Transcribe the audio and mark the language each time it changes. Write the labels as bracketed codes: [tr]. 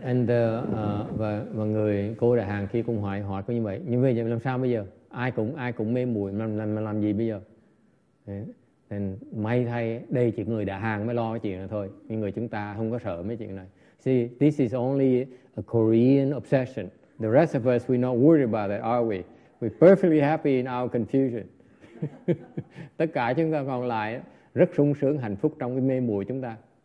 [vi] And the và người cô đại hàng kia cũng hỏi hỏi cũng như vậy. Như vậy làm sao bây giờ? Ai cũng mê muội, làm gì bây giờ? Nên may thay đây chỉ người đại hàng mới lo cái chuyện này thôi. Nhưng người chúng ta không có sợ mấy chuyện này. [en] See, this is only a Korean obsession. The rest of us, we're not worried about it, are we? We're perfectly happy in our confusion. [vi] Tất cả chúng ta còn lại rất sung sướng, hạnh phúc trong cái mê muội chúng ta.